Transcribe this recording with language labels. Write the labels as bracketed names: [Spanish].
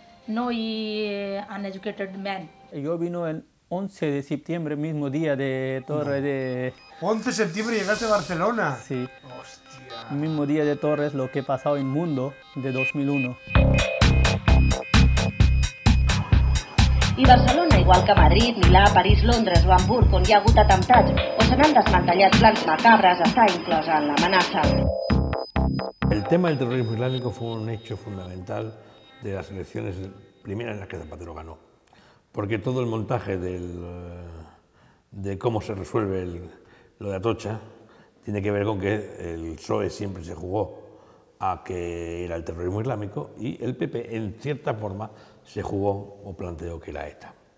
[English] No, he uneducated man. [Spanish] Yo vino el 11 de septiembre, mismo día de Torres. No. De... 11 de septiembre llegaste a Barcelona. Sí. Hostia. Mismo día de Torres, lo que pasó en mundo de 2001. [Catalan] I Barcelona, igual que Madrid, Milà, París, Londres o Hamburg, on hi ha hagut atemptats o se n'han desmantellat plans macabres, està inclosa en l'amenaça. [Spanish] El tema del terrorismo islámico fue un hecho fundamental de las elecciones primeras en las que Zapatero ganó. Porque todo el montaje de cómo se resuelve lo de Atocha tiene que ver con que el PSOE siempre se jugó a que era el terrorismo islámico y el PP, en cierta forma, se jugó o planteó que era ETA.